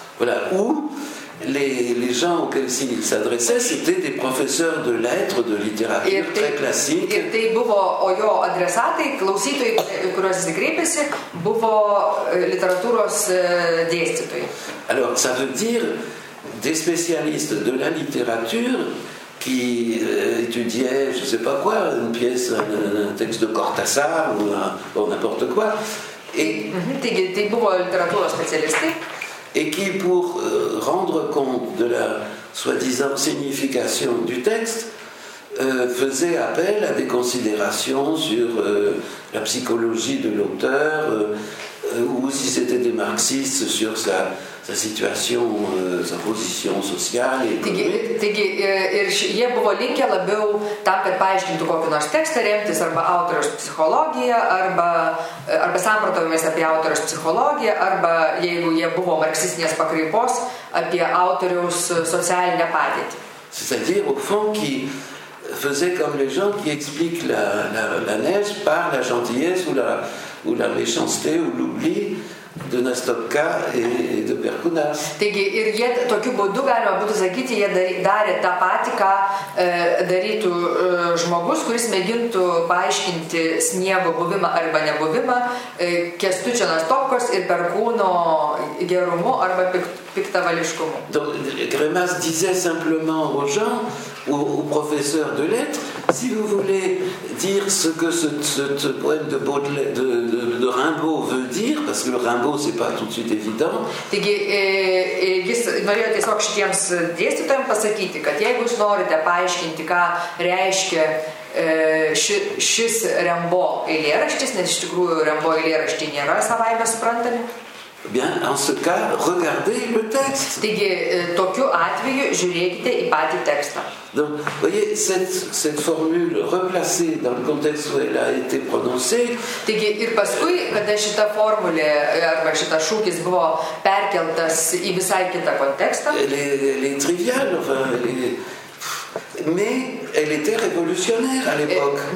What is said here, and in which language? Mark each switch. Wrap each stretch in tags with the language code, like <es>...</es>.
<fr>Voilà, où les gens auxquels il s'adressait, c'était des professeurs de lettres, de littérature</fr> <lt>tai,</lt> <fr>très classique.</fr> <lt>Ir tai buvo, o jo adresatai, klausytojai, kuriuos jis kreipėsi, buvo literatūros dėstytojai.</lt> <fr>Alors, ça veut dire des spécialistes de la littérature qui étudiaient, je sais pas quoi, une pièce, un texte de Cortázar ou n'importe quoi.</fr> <lt>Tai buvo literatūros specialistai.</lt> <fr>Et qui, pour rendre compte de la soi-disant signification du texte, faisait appel à des considérations sur la psychologie de l'auteur, ou si c'était des marxistes sur sa situation, sa position sociale.</fr> <lt>Taigi, ir jie buvo linkę labiau tam, kad paaiškintų kokį nors tekstą remtis arba autoriaus psichologiją, arba samprotavimais apie autoriaus psichologiją, arba jeigu jie buvo marksistinės pakraipos, apie autoriaus socialinę padėtį.</lt> <fr>C'est-à-dire, au fond, qui faisait comme les gens qui expliquent la neige par la gentillesse ou la méchanceté ou l'oubli de Nastopka et de Perkunas.</fr> <lt>Taigi, ir jie tokiu būdu, galima būtų sakyti, jie darė tą patį, ką darytų žmogus, kuris mėgintų paaiškinti sniego buvimą arba nebuvimą Kęstučio Nastopkos ir Perkūno gerumu arba piktavališkumu.</lt> <fr>Donc, Grémas disait simplement aux gens, aux professeurs de lettres, si vous voulez dire ce que ce poème de Baudelaire, de Rimbaud veut dire, parce que le Rimbaud, c'est pas tout de suite évident.</fr> <lt>Taigi, jis norėjo tiesiog šitiems dėstytojams pasakyti, kad jeigu jūs norite paaiškinti, ką reiškia šis Rimbaud eilėraštis, nes iš tikrųjų Rimbaud eilėraštį nėra savaime suprantami.</lt> <fr>Bien, en ce cas, regardez le texte.</fr> <lt>Taigi, tokiu atveju žiūrėkite į patį tekstą.</lt> <fr>Donc, voyez, cette formule replacée dans le contexte où elle a été prononcée.</fr> <lt>Taigi, ir paskui, kada šita formulė arba šita šūkis buvo perkeltas į visai kitą kontekstą.</lt> <fr>Elle est triviale, enfin, mais elle était révolutionnaire à l'époque.</fr>